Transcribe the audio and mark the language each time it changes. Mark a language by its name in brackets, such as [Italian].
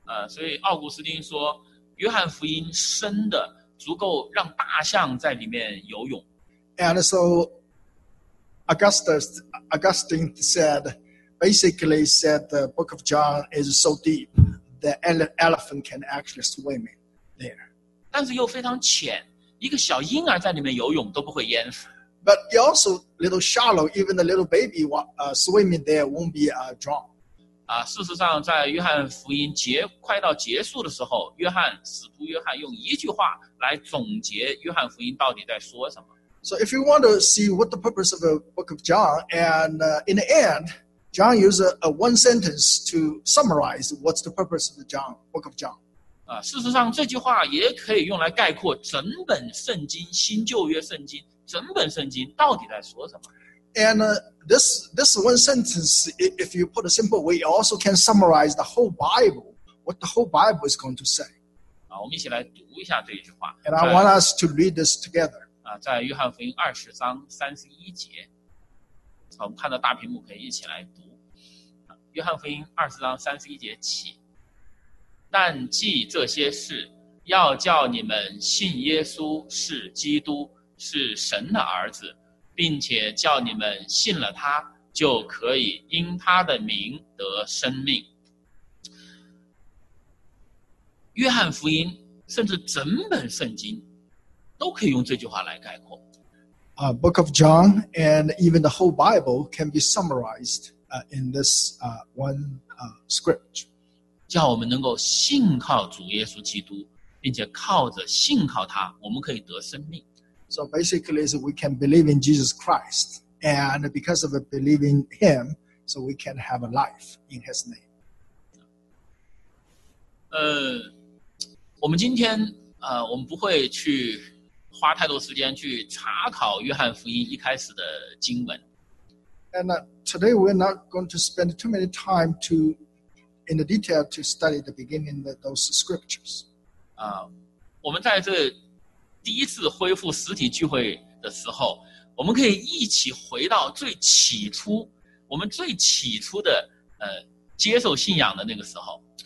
[Chinese] 所以奥古斯丁说约翰福音深的足够让大象在里面游泳。 [English] And so Augustine basically said the book of John is so deep that an elephant can actually swim in there. [Chinese] 但是又非常浅，一个小婴儿在里面游泳都不会淹死。 [English] But it also a little shallow, even a little baby swimming there won't be drowned. [Chinese] 事实上在约翰福音快到结束的时候，使徒约翰用一句话来总结约翰福音到底在说什么。 [English] So if you want to see what the purpose of the book of John, and in the end, John uses a one sentence to summarize what's the purpose of the book of John. [Chinese] 事实上这句话也可以用来概括整本圣经，新旧约圣经，整本圣经到底在说什么。 [English] And this one sentence, if you put a simple way, it also can summarize the whole Bible, what the whole Bible is going to say. [Chinese] 我们一起来读一下这一句话。 [English] And I want us to read this together. [Chinese] 在约翰福音二十章三十一节，我们看到大屏幕可以一起来读。约翰福音20章31节起，但记这些事，要叫你们信耶稣是基督，是神的儿子，并且叫你们信了他，就可以因他的名得生命。约翰福音甚至整本圣经都可以用这句话来概括。 [English] Book of John and even the whole Bible can be summarized in this one script. [Chinese] 叫我们能够信靠主耶稣基督，并且靠着信靠他，我们可以得生命。 [English] So basically, so we can believe in Jesus Christ, and because of believing Him, so we can have a life in His name. [Chinese] 我们今天我们不会去花太多时间去查考约翰福音一开始的经文。 [English] And today we're not going to spend too many time to, in the detail, to study the beginning of those scriptures. [Chinese] 我们在这第一次恢复实体聚会的时候，我们可以一起回到最起初，我们最起初的接受信仰的那个时候。